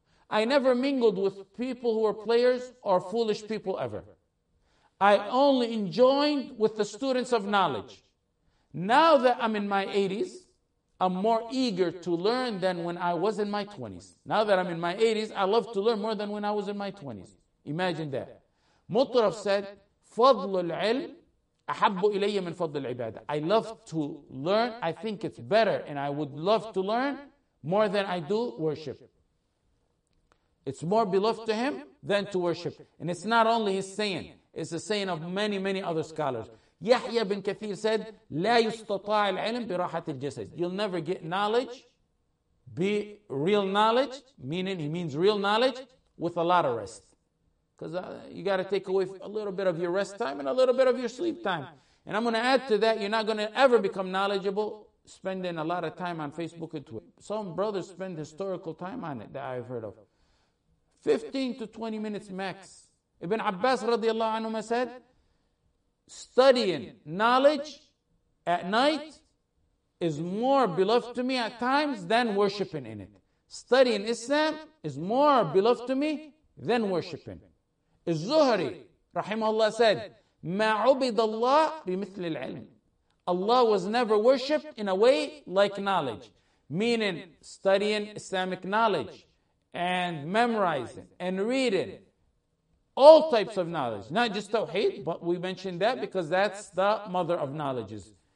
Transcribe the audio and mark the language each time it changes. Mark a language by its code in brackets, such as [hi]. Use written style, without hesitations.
[en] I never mingled with people who were players or foolish people ever. I only enjoined with the students of knowledge. Now that I'm in my 80s, I'm more eager to learn than when I was in my 20s. Now that I'm in my 80s, I love to learn more than when I was in my 20s. Imagine that. Mutarraf said, [ar] فَضْلُ الْعِلْمِ أَحَبُّ إِلَيَّ مِنْ فَضْلِ الْعِبَادَةِ [en] I love to learn. I think it's better and I would love to learn more than I do worship. It's more beloved to him than to worship. And it's not only his saying. It's the saying of many, many other scholars. Yahya bin Kathir said, [ar] لَا يُسْتَطَاعِ الْعِلْمِ بِرَاحَةِ الْجَسَدِ [en] You'll never get knowledge, be real knowledge, meaning he means real knowledge, with a lot of rest. Because you got to take away a little bit of your rest time and a little bit of your sleep time. And I'm going to add to that, you're not going to ever become knowledgeable spending a lot of time on Facebook and Twitter. Some brothers spend historical time on it that I've heard of. 15 to 20 minutes max. Ibn Abbas radiallahu anhu said, studying knowledge at night is more beloved to me at times than worshipping in it. Studying Islam is more beloved to me than worshipping. [ar] Az-Zuhri [en] rahimahullah said, [ar] ما عبد الله بمثل العلم. [en] Allah was never worshipped in a way like knowledge. Meaning studying Islamic knowledge. And memorizing and reading all types of knowledge, not just tawheed, but we mentioned that because that's the mother of knowledges.